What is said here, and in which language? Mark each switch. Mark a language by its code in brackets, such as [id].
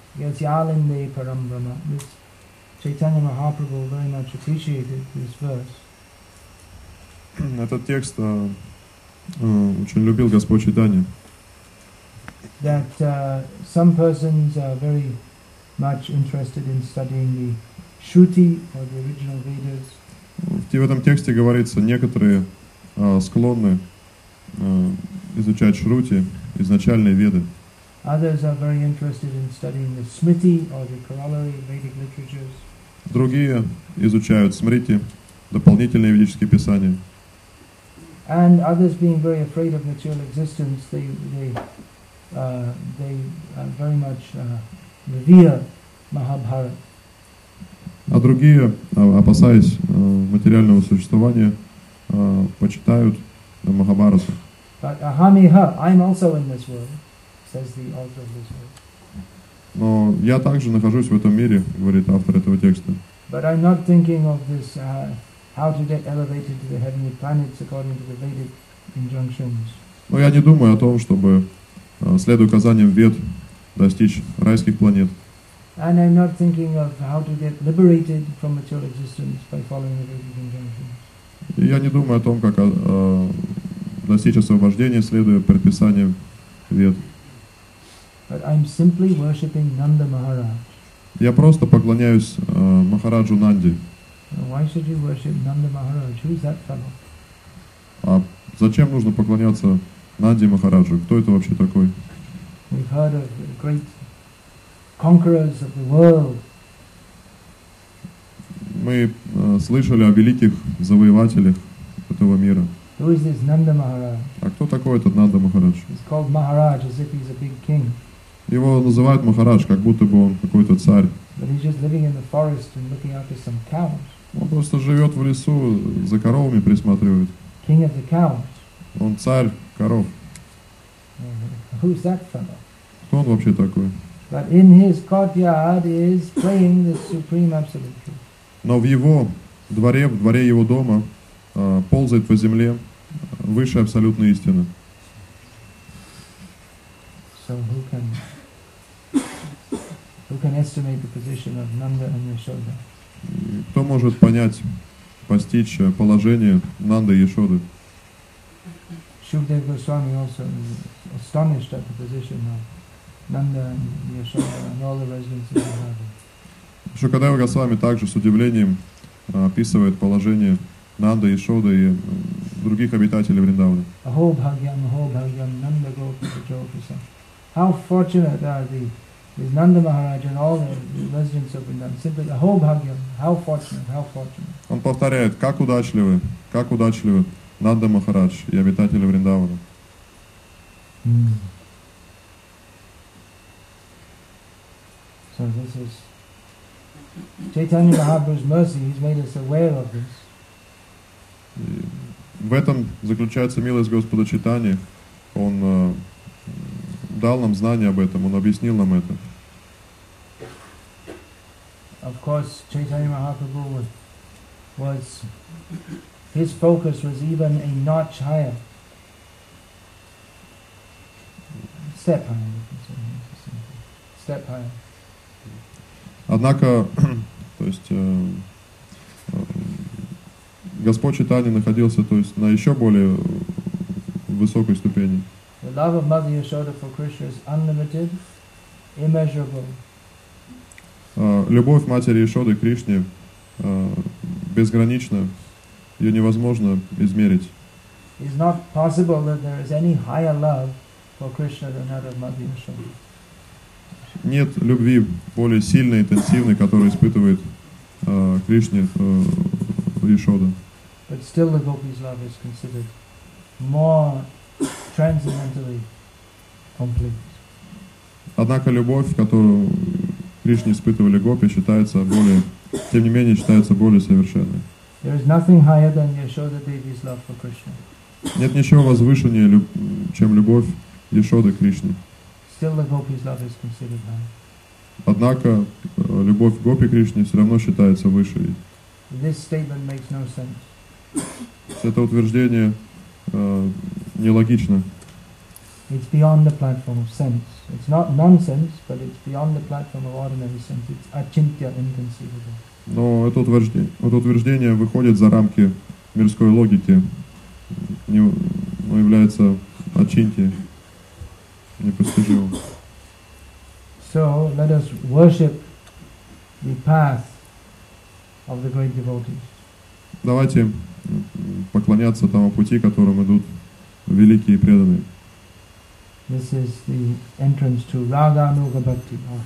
[sa] Yajalinde Parambrahma. [en] This Chaitanya Mahaprabhu very much appreciated this verse. [ru] Этот текст очень любил Господь Чайтанья. [en] That some persons are very much interested in studying the Shruti or the original Vedas. [ru] В этом тексте говорится, некоторые склонны изучать Шрути, изначальные Веды. [en] Others are very interested in studying the Smriti or the corollary Vedic literatures. [ru] Другие изучают Смрити, дополнительные ведические писания. [en] And others, being very afraid of material existence, they very much revere Mahabharata. [ru] А другие, опасаясь материального существования, почитают Махабхарату. [en] But Ahamiha, I'm also in this world, says the author of this verse. [ru] Но я также нахожусь в этом мире, говорит автор этого текста. [en] But I'm not thinking of this, how to get elevated to the heavenly planets according to the Vedic injunctions. [ru] Но я не думаю о том, чтобы, следуя указаниям Вед, достичь райских планет. [en] And I'm not thinking of how to get liberated from material existence by following the Vedic injunctions. [ru] Я не думаю о том, как достичь освобождения, следуя предписаниям Вед. [en] But I'm simply worshipping Nanda Maharaj. [ru] Я просто поклоняюсь Махараджу Нанде. [en] Why should you worship Nanda Maharaj? Who's that fellow? [ru] А зачем нужно поклоняться Нанде Махараджу? Кто это вообще такой? [en] We've heard of great conquerors of the world. [ru] Мы слышали о великих завоевателях этого мира. [en] Who is this Nanda Maharaj? [ru] А кто такой этот Нанда Махарадж? [en] He's called Maharaj, as if he's a big king. [ru] Его называют Махарадж, как будто бы он какой-то царь. [en] But he's just living in the forest and looking after some cows. [ru] Он просто живет в лесу, за коровами присматривает. [en] King of the cows. [ru] Он царь коров. [en] Who's that fellow? [ru] Кто он вообще такой? [en] But in his courtyard is playing the supreme absolute truth. [ru] Но в дворе его дома, ползает по земле высшая абсолютная истина. [en] So who can estimate the position of Nanda and Yashoda? [ru] Кто может понять, постичь положение Нанды и Яшоды? [en] Shukadev Goswami also astonished at the position of Nanda and Yashoda and all the residents of Vrindavan. [ru] Shukadeva Goswami также с удивлением описывает положение Нанды, Яшоды и других обитателей Вриндавана. [sa] Ahobhagyam, Nanda Gopika Jopisa. [en] How fortunate are they? Is Nanda Maharaj and all the residents of Vrindavan. Simply, Ahobhagyam, how fortunate, how fortunate. [ru] Он повторяет, как удачливы Нанда Махарадж и обитатели Вриндавана. [en] So this is Chaitanya Mahaprabhu's mercy. He's made us aware of this. [ru] В этом заключается милость Господа Чайтаньи. Он дал нам знание об этом, он объяснил нам это. [en] Of course, Chaitanya Mahaprabhu was his focus was even a notch higher. Step higher. [ru] Однако, то есть Господь Чайтанья находился, то есть, на еще более высокой ступени. [en] The love of Mother Yashoda for Krishna is unlimited, immeasurable. [ru] Любовь Матери Яшоды к Кришне безгранична, ее невозможно измерить. [en] It's not possible that there is any higher love for Krishna than that of Mother Yashoda. [ru] Нет любви более сильной, интенсивной, которую испытывает Кришне Яшода. [en] But still the gopis' love is considered more transcendentally complete. [ru] Однако любовь, которую Кришне испытывали гопи, считается более, тем не менее, считается более совершенной. [en] There is nothing higher than Yashoda Devi's love for Krishna. [ru] Нет ничего возвышеннее, чем любовь Яшоды к Кришне. [en] Still the gopis' love is considered high. [ru] Однако любовь гопи Кришне все равно считается высшей. [en] This statement makes no sense. [ru] Это утверждение нелогично. [en] It's beyond the platform of sense. It's not nonsense, but it's beyond the platform of ordinary sense. It's achintya, inconceivable. [ru] Но это утверждение выходит за рамки мирской логики, но является очинтие, непостижимым. [en] So let us worship the path of the great devotees. [ru] Давайте поклоняться тому пути, которым идут великие преданные. [en] This is the entrance to Raganuga Bhakti.